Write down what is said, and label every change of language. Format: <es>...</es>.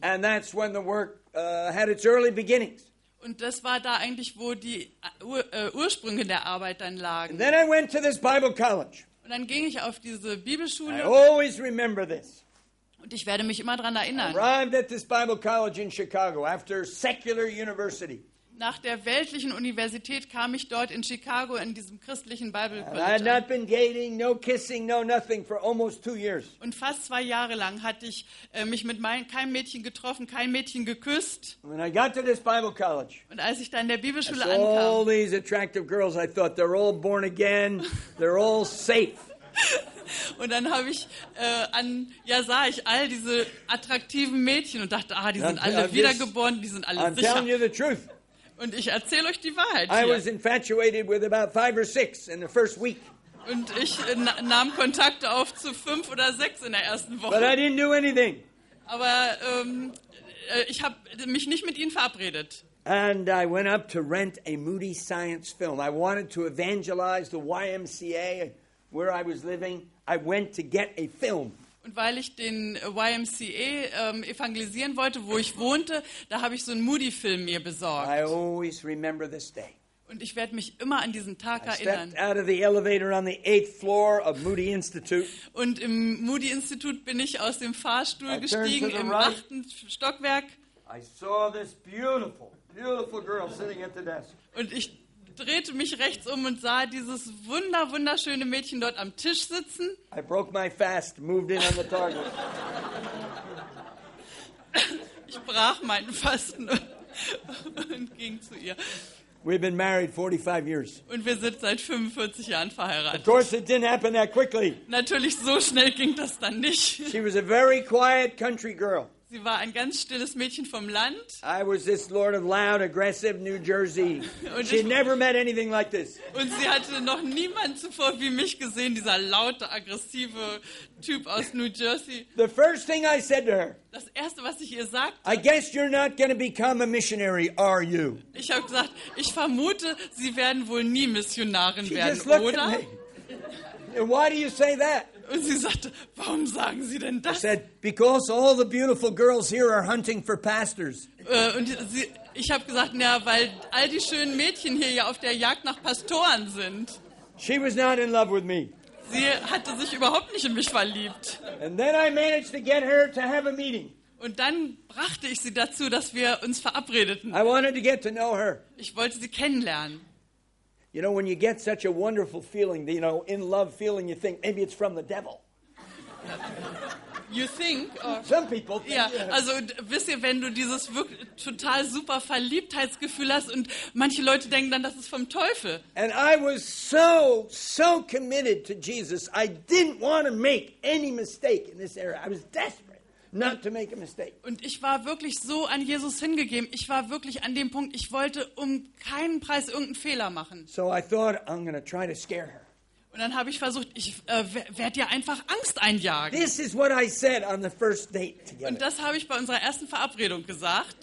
<en>And that's when the work, had its early beginnings.</en> <de>Und das war da eigentlich, wo die Ursprünge der Arbeit dann lagen.</de> <en>And then I went to this Bible college.</en> <de>Und dann ging ich auf diese Bibelschule.</de> <en>I always remember this.</en> <de>Und ich werde mich immer daran erinnern.</de> <en>I arrived at this Bible college in Chicago after secular university.</en> <de>Nach der weltlichen Universität kam ich dort in Chicago in diesem christlichen Bible</de> <en>College. I had not been dating, no kissing, no nothing for almost 2 years.</en> <de>Und fast 2 Jahre lang hatte ich mich mit keinem Mädchen getroffen, kein Mädchen geküsst.</de> <en>When I got to this Bible college,</en> <de>und als ich dann in der Bibelschule ankam,</de> <en>all these attractive girls, I thought they're all born again, they're all safe.</en> <de>Und dann habe ich sah ich all diese attraktiven Mädchen und dachte, ah, die sind alle wiedergeboren, die sind alle</de> <en>I'm</en> <de>sicher.</de> <en>I'm telling you the truth.</en> <de>Und ich erzähle euch die Wahrheit hier.</de> <en>I was infatuated with about 5 or 6 in the first week.</en> <de>Und ich nahm Kontakt auf zu 5 oder 6 in der ersten Woche.</de> <en>But I didn't do anything.</en> <de>Aber ich habe mich nicht mit ihnen verabredet.</de> <en>And I went up to rent a Moody Science film. I wanted to evangelize the YMCA where I was living. I went to get a film.</en> <de>Und weil ich den YMCA evangelisieren wollte, wo ich wohnte, da habe ich so einen Moody-Film mir besorgt.</de> <en>I always remember this day.</en> <de>Und ich werde mich immer an diesen Tag</de> <en>I</en> <de>erinnern.</de> <en>Stepped out of the elevator on the 8th floor of Moody Institute.</en> <de>Und im Moody-Institut bin ich aus dem Fahrstuhl</de> <en>I</en> <de>gestiegen, im 8. Stockwerk.</de> <en>I saw this beautiful, beautiful girl sitting at the desk.</en> <de>Und ich drehte mich rechts um und sah dieses wunderschöne Mädchen dort am Tisch sitzen.</de> <en>I broke my fast, moved in on the target.</en> <de>Ich brach meinen Fasten und ging zu ihr.</de> <en>We've been married 45 years.</en> <de>Und wir sind seit 45 Jahren verheiratet.</de> <en>Of course it didn't happen that quickly.</en> <de>Natürlich so schnell ging das dann nicht.</de> <en>She was a very quiet country girl.</en> <de>Sie war ein ganz stilles Mädchen vom Land.</de> <en>I was this sort of loud, aggressive New Jersey. She never met anything like this.</en> <de>Und sie hatte noch niemand zuvor wie mich gesehen, dieser laute, aggressive Typ aus New Jersey.</de> <en>The first thing I said to her.</en> <de>Das erste, was ich ihr sagte.</de> <en>I guess you're not going to become a missionary, are you?</en> <de>Ich habe gesagt, ich vermute, Sie werden wohl nie Missionarin werden,</de> <en>she just looked</en> <de>oder?</de> <en>At me. And why do you say that?</en> <de>Und sie sagte, warum sagen Sie denn das?</de> <en>I said, because all the beautiful girls here are hunting for pastors.</en> <de>Und sie, ich habe gesagt, na, weil all die schönen Mädchen hier ja auf der Jagd nach Pastoren sind.</de> <en>She was not in love with me.</en> <de>Sie hatte sich überhaupt nicht in mich verliebt.</de> <en>And then I managed to get her to have a meeting.</en> <de>Und dann brachte ich sie dazu, dass wir uns verabredeten.</de> <en>I wanted to get to know her.</en> <de>Ich wollte sie kennenlernen.</de> <en>You know, when you get such a wonderful feeling, you know, in love feeling, you think maybe it's from the devil. You think? Some people think.</en> <de>Ja, also wisst ihr, wenn du dieses wirklich total super Verliebtheitsgefühl hast und manche Leute denken dann, das ist vom Teufel.</de> <en>And I was so, so committed to Jesus, I didn't want to make any mistake in this area. I was desperate. Not to make a mistake.</en> <de>Und ich war wirklich so an Jesus hingegeben. Ich war wirklich an dem Punkt, ich wollte um keinen Preis irgendeinen Fehler machen.</de> <en>So I thought, I'm gonna try to scare her.</en> <de>Und dann habe ich versucht, ich werde ihr einfach Angst einjagen.</de> <en>This is what I said on the first date together.</en> <de>Und das habe ich bei unserer ersten Verabredung gesagt.</de>